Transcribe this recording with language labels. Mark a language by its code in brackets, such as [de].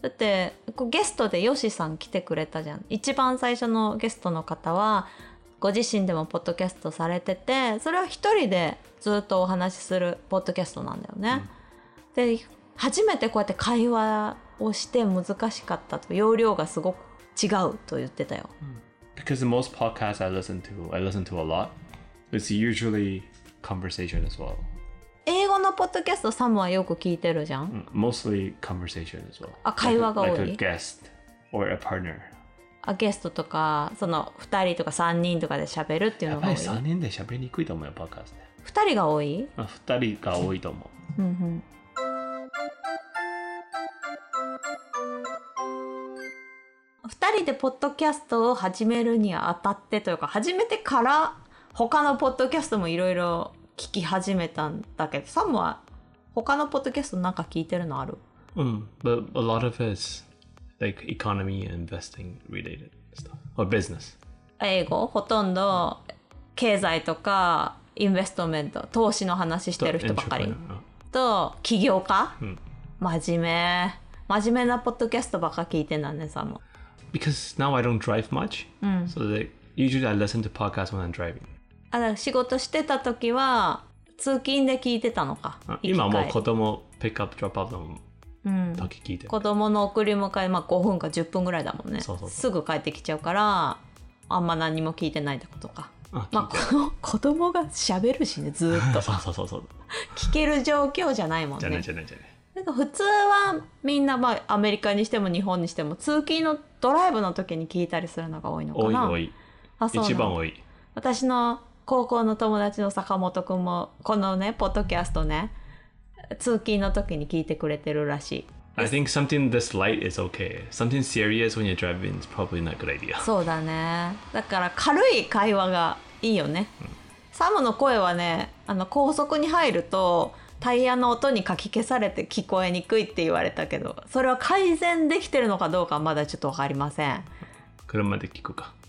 [ja] だってこうゲストでヨシさん来てくれたじゃん。一番最初のゲストの方はご自身でもポッドキャストされてて、それは一人でずっとお話しするポッドキャストなんだよね、うん、で初めてこうやって会話をして難しかったと、容量がすごく違うと言ってたよ。 [en] Because most podcasts I listen to a lot, it's usually conversation as well. [ja] 英語のポッドキャストサムはよく聞いてるじゃん。 [en] Mostly conversation as well. [ja] あ、会話が多い。 [en] Like a guest or a partner. [ja] あ、ゲストとかその2人とか3人とかで喋るっていうのが多い。やっぱり3人で喋りにくいと思うよ、ポッドキャスト。 2人が多い？ 2人が多いと思う。うんうん。 2人でポッドキャストを始めるにあたってというか、始めてから他のポッドキャストもいろいろ聞き始めたんだけど、サムは他のポッドキャストなんか聞いてるのある？ [en] うん、but a lot of it's like economy and investing related stuff or business。 [ja] 英語ほとんど経済とかインベストメント投資の話してる人ばかり。と起業家、うん、真面目なポッドキャストばっか聞いてんだねさも。 [en] Because now I don't drive much、うん、so they, usually I listen to podcasts when I'm driving。 [ja] あ、だから仕事してた時は通勤で聞いてたのか。今はもう子供ピックアップドロップアップの時聞いてる、うん、子供の送り迎え、まあ、5分か10分ぐらいだもんね。そうそうそう、すぐ帰ってきちゃうからあんま何も聞いてないってことか。あ、まあ、この子供が喋るしね、ずっとそうそうそうそう聞ける状況じゃないもんね。じゃない。なんか普通はみんな、まあ、アメリカにしても日本にしても通勤のドライブの時に聞いたりするのが多いのかな。多い多い、あ、そう、一番多い。私の高校の友達の坂本くんもこのねポッドキャストね通勤の時に聞いてくれてるらしい。 [en] I think something this light is okay. Something serious when you're driving is probably not a good idea. [ja] そうだね。だから軽い会話がいいよね。うん、サムの声はね、あの高速に入るとタイヤの音にかき消されて聞こえにくいって言われたけど、それは改善できてるのかどうかまだちょっとわかりません。車で聞くか。